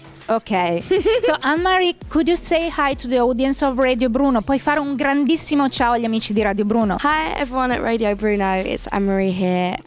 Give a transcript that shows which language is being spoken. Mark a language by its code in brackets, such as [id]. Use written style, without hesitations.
[en] Okay, so Anne-Marie, could you say hi to the audience of Radio Bruno? [it] Puoi fare un grandissimo ciao agli amici di Radio Bruno. [en] Hi everyone at Radio Bruno, it's Anne-Marie here.